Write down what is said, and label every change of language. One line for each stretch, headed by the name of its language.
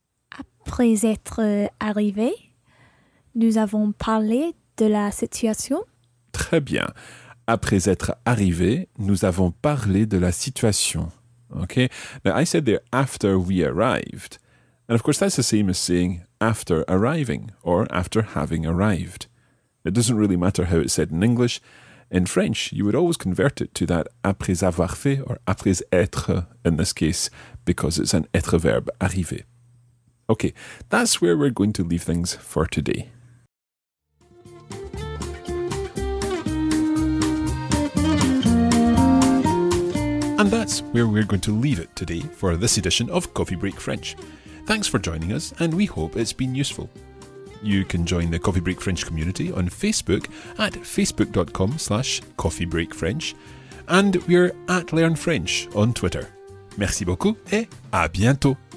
French: Après être arrivés, nous avons parlé de la situation. Très bien. Après être arrivés, nous avons parlé de la situation.
English: Okay. Now, I said there, after we arrived. And of course, that's the same as saying after arriving or after having arrived. It doesn't really matter how it's said in English. In French, you would always convert it to that
French: après avoir fait
English: or
French: après être
English: in this case, because it's an être verb, arriver. Okay, that's where we're going to leave things for today. And that's where we're going to leave it today for this edition of Coffee Break French. Thanks for joining us, and we hope it's been useful. You can join the Coffee Break French community on Facebook at facebook.com/coffeebreakfrench, and we're at Learn French on Twitter.
French: Merci beaucoup et à bientôt!